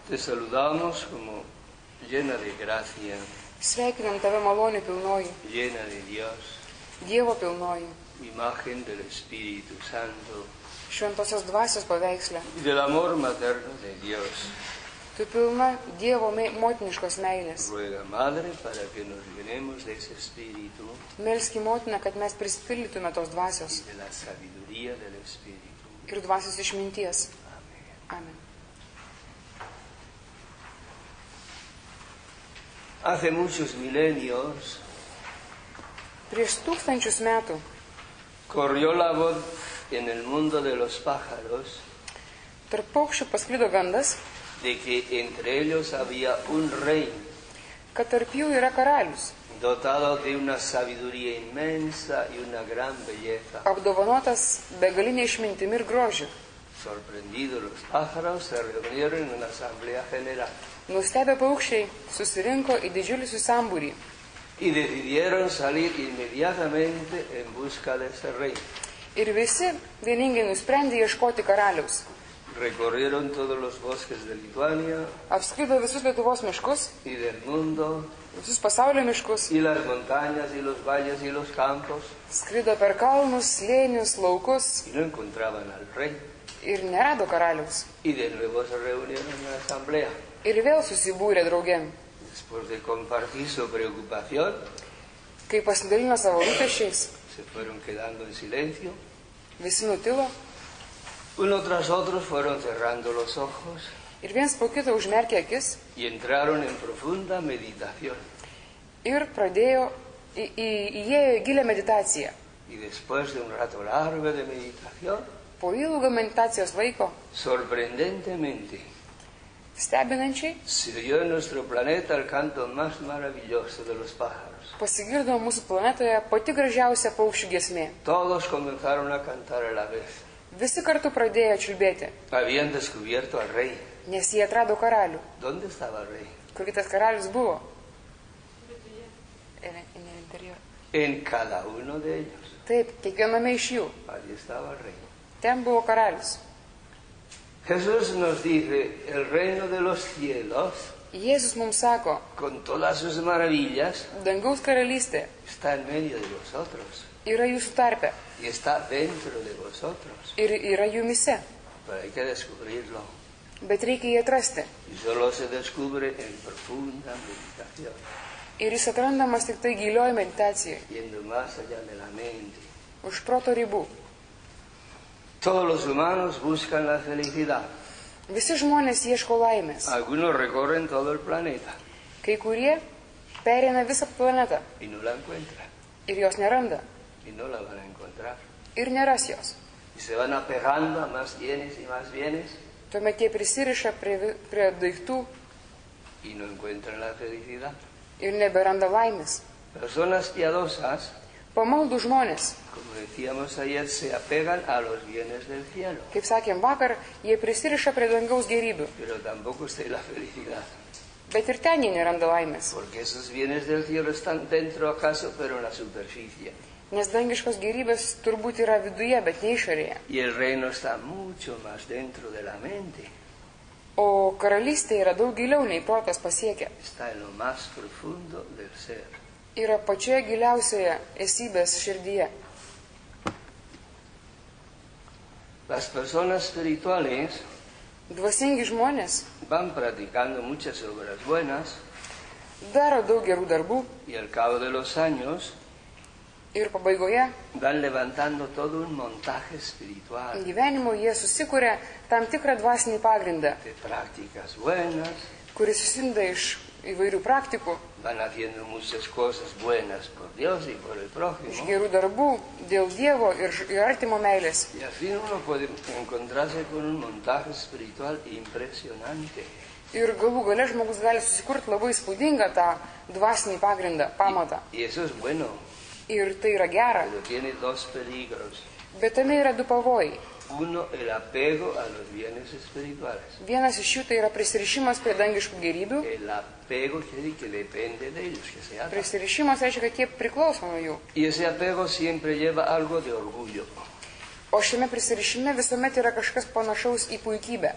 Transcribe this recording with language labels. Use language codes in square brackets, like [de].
[es] Te saludamos como llena de gracia. [lt] Sveikinam tave malonė pilnoji. [es] Llena de Dios. [lt] Dievo pilnoji. [es] Imagen del Espíritu Santo. [lt] Šventosios dvasios paveikslė. [es] Del amor materno de Dios. [lt] Tu pilna Dievo motiniškos meilės. [es] Ruega madre para que nos llenemos de ese Espíritu. [lt] Melski motina, kad mes prisipildytume tos dvasios. [es] De la sabiduría del Espíritu. [lt] Ir dvasios išminties. [es] Amen. [lt] Amen. [es] Hace muchos milenios, [lt] prieš tūkstančius metų, [es] corrió la voz en el mundo de los pájaros, [lt] tarp paukščių pasklido gandas, [es] de que entre ellos había un rey, [lt] kad tarp jų yra karalius, [es] dotado de una sabiduría inmensa y una gran belleza, [lt] apdovanotas begaline išmintimi ir grožiu. [es] Sorprendidos los pájaros se reunieron en una asamblea general. [lt] Nustebę paukščiai susirinko į didžiulį susambūrį. [es] Y decidieron salir inmediatamente en busca de ese rey. [lt] Ir visi vieningai nusprendė ieškoti karaliaus. [es] Recorrieron todos los bosques de Lituania. [lt] Apskrido visus Lietuvos miškus. [es] Y del mundo. [lt] Visus pasaulio miškus. [es] Y las montañas, y los valles, y los campos. [lt] Skrido per kalnus, slėnius, laukus. [es] Y no encontraban al rey. [lt] Ir nerado karaliaus. [es] Y de nuevo se reunieron en la asamblea. [lt] Ir vėl susibūrė draugėm. [es] Después de compartir su preocupación, [lt] kai pasidalino savo rūpesčiais, [es] se fueron quedando en silencio. [lt] Visi nutilo. [es] Uno tras otro fueron cerrando los ojos. [lt] Ir viens po kito užmerkė akis. [es] Y entraron en profunda meditación. [lt] Ir pradėjo įėjo į gilią meditaciją. [es] Y después de un rato largo de meditación, [lt] po ilgo meditacijos laiko, [es] sorprendentemente, [lt] stebinančiai, [es] siguió en nuestro planeta el canto más maravilloso de los pájaros. [lt] Pasigirdo mūsų planetoje pati gražiausia paukščių giesmė. [es] Todos comenzaron a cantar a la vez. [lt] Visi kartu pradėjo čiulbėti. [es] Habían descubierto al rey. [lt] Nes jie atrado karalių. [es] ¿Dónde estaba el rey? [lt] Kur tas karalius buvo? Viduje. [es] En el interior. En cada uno de ellos. [lt] Taip, kiekviename iš jų. [es] Allí estaba el rey. [lt] Ten buvo karalius. [es] Jesús nos dice el reino de los cielos. [lt] Jesús mums sako. [es] Con todas sus maravillas. [lt] Dangaus karalystė. [es] Está en medio de vosotros. [lt] Yra jūsų tarpe. [es] Y está dentro de vosotros. [lt] Ir yra jumise. [es] Pero hay que descubrirlo. [lt] Bet reikia jį atrasti. [es] Y solo se descubre en profunda meditación. [lt] Ir jis atrandamas tik tai gilioj meditacijoj. [es] Yendo más allá de la mente. [lt] Už proto ribų. [es] Todos los humanos buscan la felicidad. [lt] Visi žmonės ieško laimės. [es] Algunos recorren todo el planeta. [lt] Kai kurie pereina visą planetą. [es] Y no la encuentran. [lt] Ir jos neranda. [es] Y no la van a encontrar. [lt] Ir neras jos. [es] Y se van apegando a más bienes y más bienes. [lt] Tuomet jie prisiriša prie daiktų. [es] Y no encuentran la felicidad. [lt] Ir neberanda laimės. [es] Personas piadosas. [lt] Pamaldų žmonės. [es] Como decíamos ayer, se apegan a los bienes del cielo. [lt] Kaip sakėm vakar, jie prisiriša prie dangaus gėrybių. [es] Pero tampoco está la felicidad. [lt] Bet ir ten jie neranda laimės. [es] Porque esos bienes del cielo están dentro acaso, pero en la superficie. [lt] Nes dangiškos gėrybės turbūt yra viduje, bet ne išorėje. [es] Y el reino está mucho más dentro de la mente. [lt] O karalystė yra daug giliau, nei protas pasiekia. [es] Está en lo más profundo del ser. [lt] Yra pačioje giliausioje esybės širdyje. [es] Las personas espirituales, [lt] dvasingi žmonės, [es] van practicando muchas obras buenas, [lt] daro daug gerų darbų, [es] y al cabo de los años, [lt] ir pabaigoje, [es] van levantando todo un montaje espiritual. [lt] Gyvenimo jie susikuria tam tikrą dvasinį pagrindą, [es] de prácticas buenas, [lt] kuris susideda iš įvairių praktikų, [es] van haciendo muchas cosas buenas por Dios y por el prójimo. [lt] Iš gerų darbų, dėl Dievo ir artimo meilės. [es] Y al fin uno puede encontrarse con un montaje espiritual impresionante. [lt] Ir galų gale žmogus gali susikurti labai įspūdingą tą dvasinį pagrindą, pamatą. [es] Y eso es bueno. [lt] Ir tai yra gera. [es] Pero tiene dos peligros. [lt] Bet tame yra du pavojai. [es] Uno, el apego a los bienes espirituales. [lt] Vienas iš jų tai yra prisirišimas prie dangiškų gėrybių. [es] El apego quiere que depende de ellos, que se ata. [lt] Prisirišimas reiškia, kad jie priklauso nuo jų. [es] Y ese apego siempre lleva algo de orgullo. [lt] O šiame prisirišime visuomet yra kažkas panašaus į puikybę.